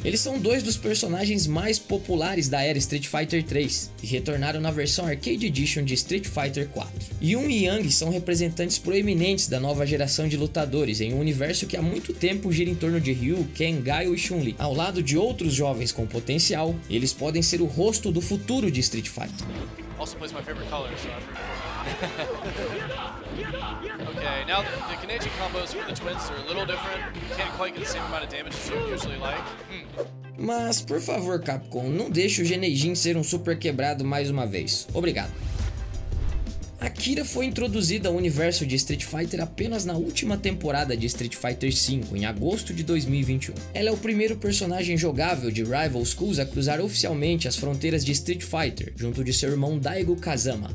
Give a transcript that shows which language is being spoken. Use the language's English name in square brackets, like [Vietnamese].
[Portuguese] Eles são dois dos personagens mais populares da era Street Fighter 3, e retornaram na versão Arcade Edition de Street Fighter 4. Yun e Yang são representantes proeminentes da nova geração de lutadores em um universo que há muito tempo gira em torno de Ryu, Ken, Guile e Chun-Li. Ao lado de outros jovens com potencial, eles podem ser o rosto do futuro de Street Fighter. [English] Also plays my favorite color, so I'm pretty cool. Okay, now the Canadian combos for the twins are a little different. Can't quite get the same amount of damage as you usually like. [Portuguese] Mas, por favor, Capcom, não deixe o Geneijin ser um super quebrado mais uma vez. Obrigado. Akira foi introduzida ao universo de Street Fighter apenas na última temporada de Street Fighter V, em agosto de 2021. Ela é o primeiro personagem jogável de Rival Schools a cruzar oficialmente as fronteiras de Street Fighter, junto de seu irmão Daigo Kazama.